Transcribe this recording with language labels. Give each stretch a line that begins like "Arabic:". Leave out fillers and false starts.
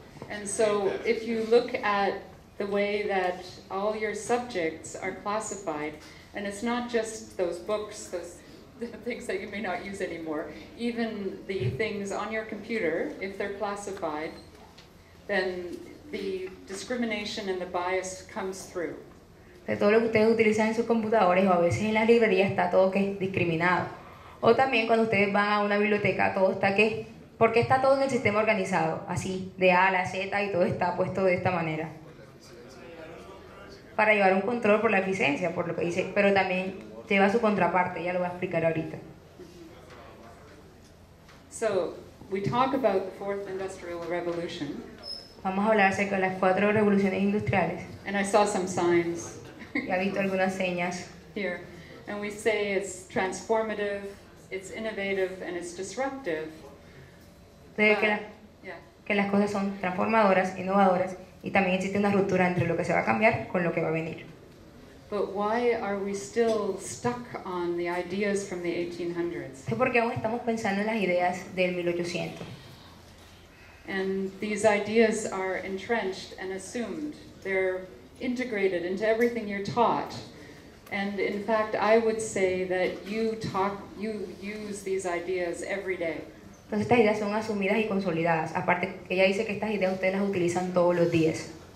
English: And so, if you look at the way that all your subjects are classified, and it's not just those books, those things that you may not use anymore, even the things on your computer, if they're classified, then the discrimination and the bias comes through.
Spanish: De todo lo que ustedes utilizan en sus computadores, o a veces en la librería, está todo que es discriminado. O también cuando ustedes van a una biblioteca, todo está que... ¿Por qué está todo en el sistema organizado? Así, de A a la Z y todo está puesto de esta manera. Para llevar un control por la eficiencia, por lo que dice. Pero también lleva su contraparte, ya lo voy a explicar ahorita.
English: So, we talk about the fourth industrial revolution.
Spanish: Vamos a hablar acerca de las cuatro revoluciones industriales.
English: And I saw some signs.
Spanish: Ya he visto algunas señas.
English: Here. And we say it's transformative, it's innovative, and it's disruptive.
Spanish: De que, la, yeah. Que las cosas son transformadoras, innovadoras Y también existe una ruptura entre lo que se va a cambiar con lo que va a venir.
English: But why are we still stuck on the ideas from the 1800s?
Spanish: ¿Por qué aún estamos pensando en las ideas del 1800?
English: And these ideas are entrenched and assumed. They're integrated into everything you're taught. And in fact, I would say that you use these ideas every day.
Spanish: Entonces estas ideas son asumidas y consolidadas. Aparte, ella dice que estas ideas ustedes las utilizan todos los días.